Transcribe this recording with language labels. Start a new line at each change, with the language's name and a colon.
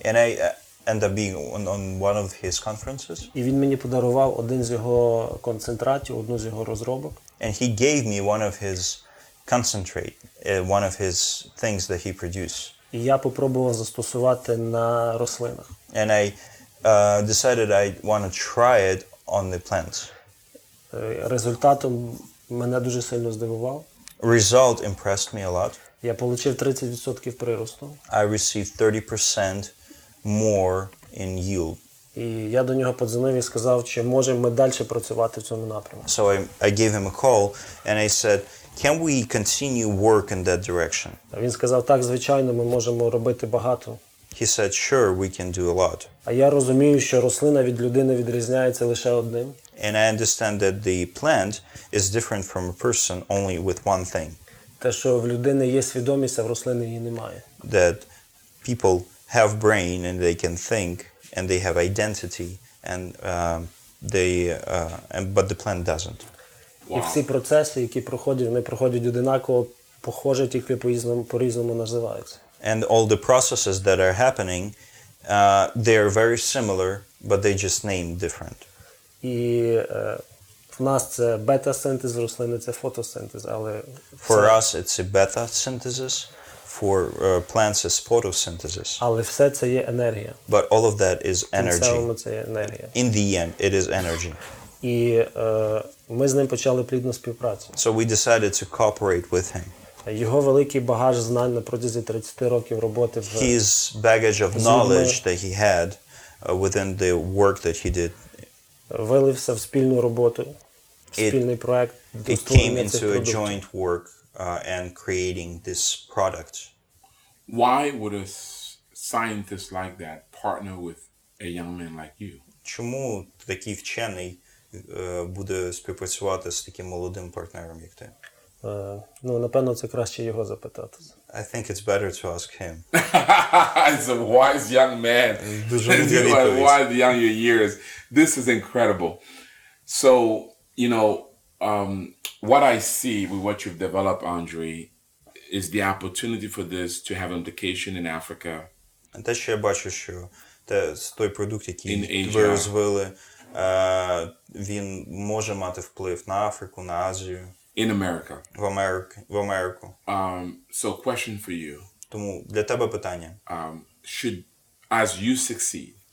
English: And I end up being on one of his conferences.
Ukrainian: І він мені подарував один з його концентратів, одну з його розробок.
English: And he gave me one of his concentrate, one of his things that he produced.
Ukrainian: І я попробував застосувати на рослинах.
English: And I decided I want to try it on the plants.
Ukrainian: Результатом мене дуже сильно здивував.
English: Result impressed me a lot.
Ukrainian: Я отримав 30% приросту.
English: I received 30% more in yield.
Ukrainian: І я до нього подзвонив і сказав, чи можемо ми далі працювати в цьому напрямку.
English: So I gave him a call and I said, can we continue work in that direction?
Ukrainian: Він сказав, так, звичайно, ми можемо робити багато.
English: He said, sure, we can do a lot.
Ukrainian: А я розумію, що рослина від людини відрізняється лише одним.
English: And I understand that the plant is different from a person only with one thing.
Ukrainian: Те, що в людини є свідомість, а в рослини її немає.
English: That people have brain and they can think. And they have identity, and but the plant doesn't.
Ukrainian: Wow. І всі процеси, які проходять, вони проходять одинаково, похоже, тільки по-різному називаються.
English: And all the processes that are happening, they are very similar, but they just named different.
Ukrainian: І в нас це бета-синтез рослини, це фотосинтез, але
English: for us it's a beta synthesis. For plants is photosynthesis.
Ukrainian: Але все це є енергія.
English: But all of that is energy.
Ukrainian: В цьому це є енергія.
English: In the end, it is energy.
Ukrainian: І ми з ним почали плідну співпрацю.
English: So we decided to cooperate with him.
Ukrainian: Його великий багаж знань на протязі 30 років роботи в
English: His baggage of knowledge that he had within the work that he did.
Ukrainian: Вилився в спільну роботу, спільний проект.
English: It came into a joint work. And creating this product. Why would a scientist like that partner with a young man like you?
Ukrainian: Чому такий вчений буде співпрацювати з таким молодим партнером, як ти? Ну, напевно, це краще його запитати.
English: I think it's better to ask him. He's a wise young man. Wise young years. This is incredible. So, you know, what I see with what you've developed, Andre, is the opportunity for this to have implication in Africa.
Ukrainian: And те, що я бачу, що той продукт, який ви розвили, він може мати вплив на Африку, на Азію.
English: In America.
Ukrainian: В Америку.
English: So question for you.
Ukrainian: Тому для тебе питання.
English: Should, as you succeed,